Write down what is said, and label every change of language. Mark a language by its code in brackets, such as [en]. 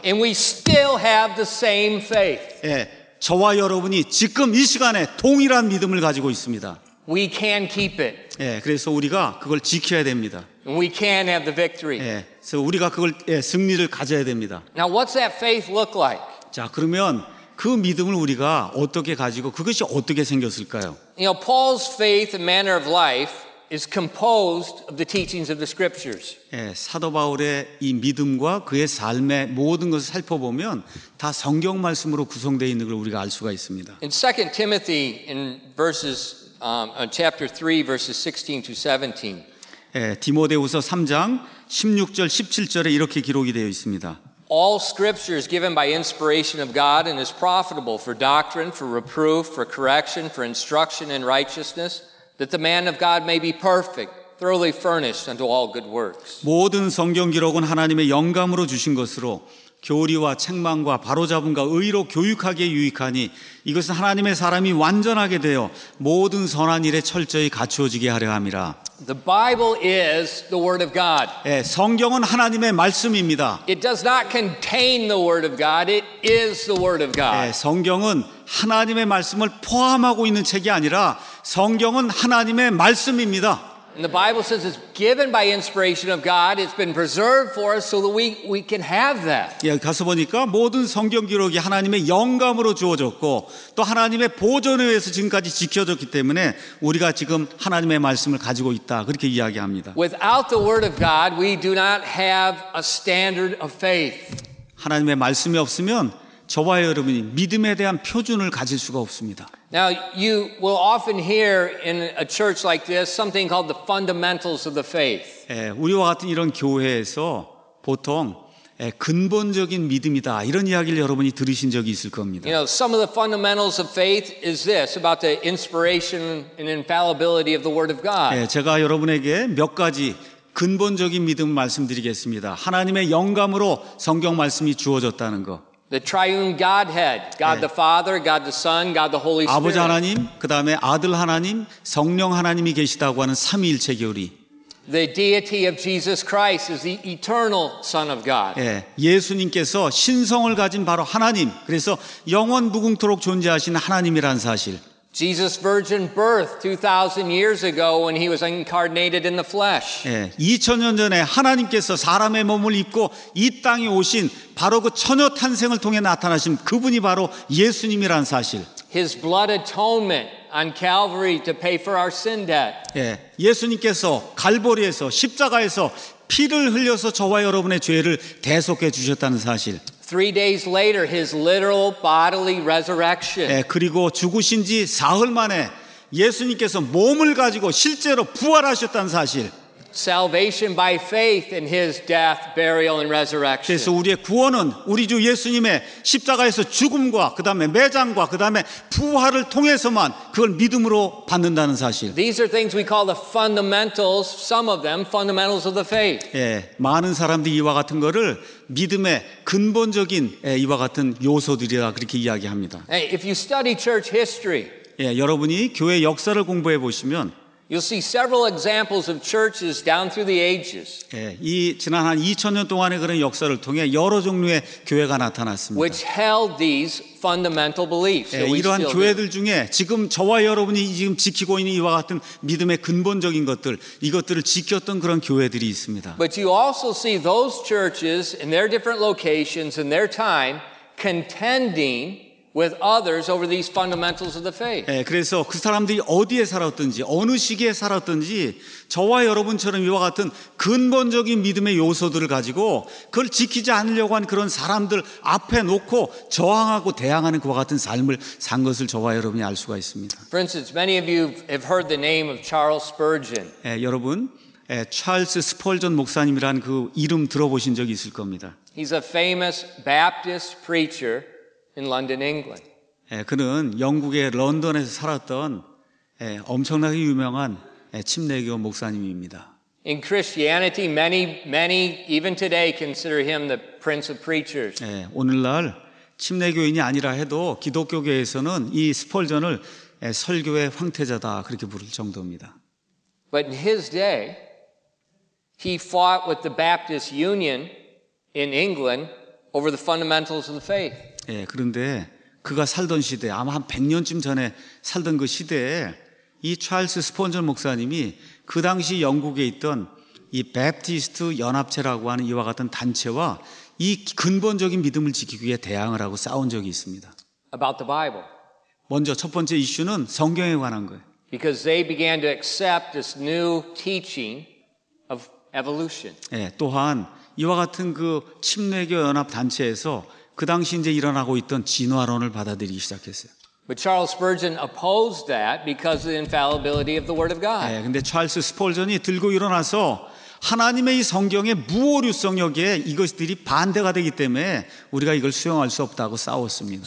[en] And we still have the same faith. [ko] 예. 저와 여러분이 지금 이 시간에 동일한 믿음을 가지고 있습니다. [en] We can keep it. [ko] 예, 그래서 우리가 그걸 지켜야 됩니다. [en] We can have the victory. [ko] 예, 그래서 우리가 그걸 예, 승리를 가져야 됩니다. [en] Now what's that faith look like? [ko] 자, 그러면 그 믿음을 우리가 어떻게 가지고 그것이 어떻게 생겼을까요? [en] You know, Paul's faith and manner of life is composed of the teachings of the scriptures. [ko] 예, 사도 바울의 이 믿음과 그의 삶의 모든 것을 살펴보면 다 성경 말씀으로 구성되어 있는 걸 우리가 알 수가 있습니다. [en] In 2 Timothy in verses chapter 3 verses 16 to 17. [ko] 예, 디모데후서 3장 16절 17절에 이렇게 기록이 되어 있습니다. [en] All scripture is given by inspiration of God and is profitable for doctrine, for reproof, for correction, for instruction in righteousness. That the man of God may be perfect, thoroughly furnished unto all good works. [ko] 모든 성경 기록은 하나님의 영감으로 주신 것으로 교리와 책망과 바로잡음과 의로 교육하기에 유익하니 이것은 하나님의 사람이 완전하게 되어 모든 선한 일에 철저히 갖추어지게 하려 함이라. [en] The Bible is the word of God. [ko] 예, 성경은 하나님의 말씀입니다. [en] It does not contain the word of God. It is the word of God. [ko] 예, 성경은 하나님의 말씀을 포함하고 있는 책이 아니라 성경은 하나님의 말씀입니다. [en] And the Bible says it's given by inspiration of God. It's been preserved for us so that we can have that. [ko] 예, 가서 보니까 모든 성경 기록이 하나님의 영감으로 주어졌고 또 하나님의 보존에 의해서 지금까지 지켜졌기 때문에 우리가 지금 하나님의 말씀을 가지고 있다. 그렇게 이야기합니다. [en] Without the word of God, we do not have a standard of faith. [ko] 하나님의 말씀이 없으면 저와 여러분이 믿음에 대한 표준을 가질 수가 없습니다. [en] Now you will often hear in a church like this something called the fundamentals of the faith. [ko] 예, 우리와 같은 이런 교회에서 보통 예, 근본적인 믿음이다 이런 이야기를 여러분이 들으신 적이 있을 겁니다. [en] You know, some of the fundamentals of faith is this about the inspiration and infallibility of the Word of God. [ko] 예, 제가 여러분에게 몇 가지 근본적인 믿음을 말씀드리겠습니다. 하나님의 영감으로 성경 말씀이 주어졌다는 것. [en] The triune Godhead, God 예. the Father, God the Son, God the Holy Spirit. [ko] 아버지 하나님, 그 다음에 아들 하나님, 성령 하나님이 계시다고 하는 삼위일체 교리. [en] The deity of Jesus Christ is the eternal Son of God. [ko] 예. 예수님께서 신성을 가진 바로 하나님, 그래서 영원 무궁토록 존재하신 하나님이란 사실. [en] Jesus' virgin birth 2,000 years ago when he was incarnated in the flesh. [ko] 예, 2,000년 전에 하나님께서 사람의 몸을 입고 이 땅에 오신 바로 그 처녀 탄생을 통해 나타나신 그분이 바로 예수님이란 사실. [en] His blood atonement on Calvary to pay for our sin debt. [ko] 예, 예수님께서 갈보리에서 십자가에서 피를 흘려서 저와 여러분의 죄를 대속해 주셨다는 사실. [en] Three days later, his literal bodily resurrection. [ko] 예, 그리고 죽으신 지 사흘 만에 예수님께서 몸을 가지고 실제로 부활하셨다는 사실. [en] Salvation by faith in his death, burial, and resurrection. [ko] 그래서 우리의 구원은 우리 주 예수님의 십자가에서 죽음과 그 다음에 매장과 그 다음에 부활을 통해서만 그걸 믿음으로 받는다는 사실. [en] These are things we call the fundamentals. Some of them fundamentals of the faith. [ko] 예, 많은 사람들이 이와 같은 것을 믿음의 근본적인 예, 이와 같은 요소들이라 그렇게 이야기합니다. [en] Hey, if you study church history, [ko] 예, 여러분이 교회 역사를 공부해 보시면. [en] You'll see several examples of churches down through the ages. [ko] 예, 이 지난 한 2000년 동안의 그런 역사를 통해 여러 종류의 교회가 나타났습니다. [en] Which held these fundamental beliefs. [ko] 예, 이러한 교회들 중에 지금 저와 여러분이 지금 지키고 있는 이와 같은 믿음의 근본적인 것들, 이것들을 지켰던 그런 교회들이 있습니다. [en] But you also see those churches in their different locations in their time contending with others over these fundamentals of the faith. [ko] 예, 그래서 그 사람들이 어디에 살았든지 어느 시기에 살았든지 저와 여러분처럼 이와 같은 근본적인 믿음의 요소들을 가지고 그걸 지키지 않으려고 한 그런 사람들 앞에 놓고 저항하고 대항하는 그와 같은 삶을 산 것을 저와 여러분이 알 수가 있습니다. [en] For instance, many of you have heard the name of Charles Spurgeon. [ko] 예, 여러분 예, 찰스 스펄전 목사님이란 그 이름 들어보신 적이 있을 겁니다. [en] He's a famous Baptist preacher. In London, England. [ko] 그는 영국의 런던에서 살았던 엄청나게 유명한 침례교 목사님입니다. [en] In Christianity, many even today consider him the prince of preachers. [ko] 오늘날 침례교인이 아니라 해도 기독교계에서는 이 스펄전을 설교의 황태자다 그렇게 부를 정도입니다. [en] But in his day, he fought with the Baptist Union in England over the fundamentals of the faith. [ko] 그런데 그가 살던 시대, 아마 한 100년쯤 전에 살던 그 시대에 이 찰스 스펀전 목사님이 그 당시 영국에 있던 이 베프티스트 연합체라고 하는 이와 같은 단체와 이 근본적인 믿음을 지키기 위해 대항을 하고 싸운 적이 있습니다. [en] About the Bible. [ko] 먼저 첫 번째 이슈는 성경에 관한 거예요. [en] Because they began to accept this new teaching of evolution. [ko] 또한 이와 같은 그 침례교 연합 단체에서 그 당시 이제 일어나고 있던 진화론을 받아들이기 시작했어요. [en] But Charles Spurgeon opposed that because of the infallibility of the Word of God. [ko] 근데 찰스 스펄전이 들고 일어나서 하나님의 이 성경의 무오류성 여기에 이것들이 반대가 되기 때문에 우리가 이걸 수용할 수 없다고 싸웠습니다.